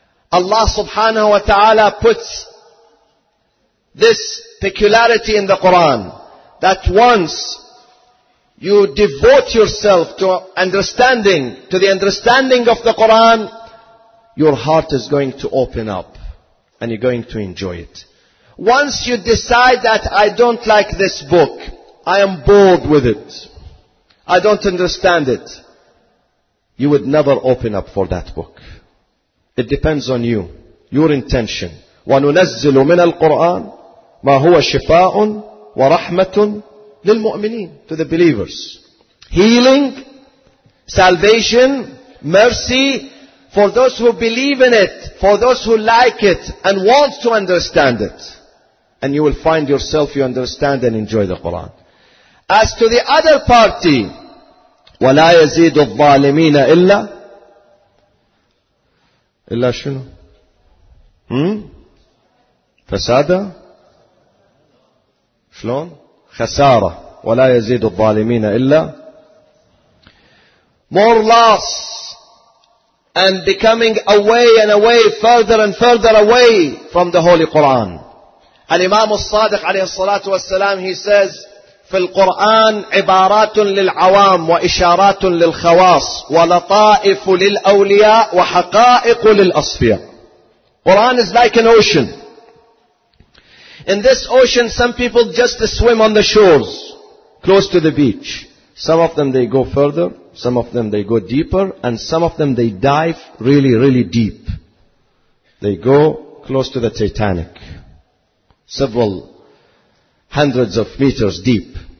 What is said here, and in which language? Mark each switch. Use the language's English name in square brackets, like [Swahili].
[English] Allah subhanahu wa ta'ala puts this peculiarity in the Quran, that once you devote yourself to understanding, to the understanding of the Quran, your heart is going to open up and you're going to enjoy it. Once you decide that I don't like this book, I am bored with it, I don't understand it, you would never open up for that book. It depends on you, your intention. [Arabic] وَنُنَزِّلُ مِنَ الْقُرْآنِ مَا هُوَ شِفَاءٌ وَرَحْمَةٌ لِلْمُؤْمِنِينَ, [English] to the believers. Healing, salvation, mercy, for those who believe in it, for those who like it, and want to understand it. And you will find yourself, you understand and enjoy the Quran. As to the other party, [Arabic] وَلَا يَزِيدُ الظَّالِمِينَ إِلَّا شنو؟ فسادة؟ شلون؟ خسارة. وَلَا يَزِيدُ الظَّالِمِينَ إِلَّا [English] more loss and becoming away and away, further and further away from the Holy Quran. [Arabic] الإمام الصادق عليه الصلاة والسلام, [English] he says, [Arabic] في القرآن عبارات للعوام وإشارات للخواص ولطائف للأولياء وحقائق للأصفياء. [English] Quran is like an ocean. In this ocean, some people just swim on the shores, close to the beach. Some of them they go further, some of them they go deeper, and some of them they dive really, really deep. They go close to the Titanic, several hundreds of meters deep.